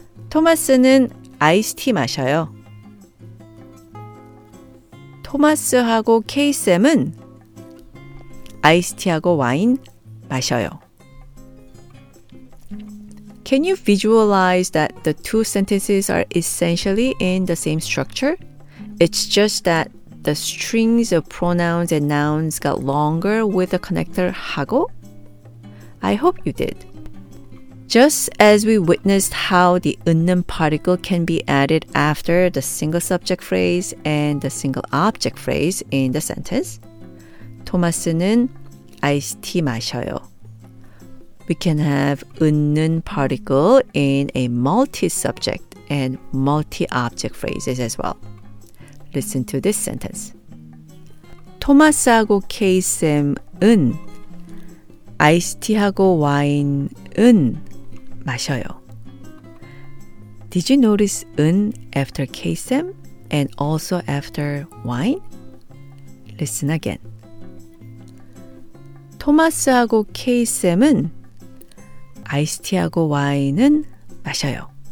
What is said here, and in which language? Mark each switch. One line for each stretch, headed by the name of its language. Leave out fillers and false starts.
Korean: 토마스는 아이스티 마셔요. 토마스하고 K쌤은 아이스티하고 와인 마셔요.
English: Can you visualize that the two sentences are essentially in the same structure? It's just that the strings of pronouns and nouns got longer with the connector 하고? I hope you did. Just as we witnessed how the 은는 particle can be added after the single subject phrase and the single object phrase in the sentence,
Korean: 토마스는 아이스티 마셔요.
English: We can have 은는 particle in a multi-subject and multi-object phrases as well. Listen to this sentence.
Korean: 토마스하고 K쌤은 아이스티하고 와인은 마셔요.
English: Did you notice 은 after K쌤 and also after wine? Listen again.
Korean: 토마스하고 K쌤은 아이스티하고 와인은 마셔요.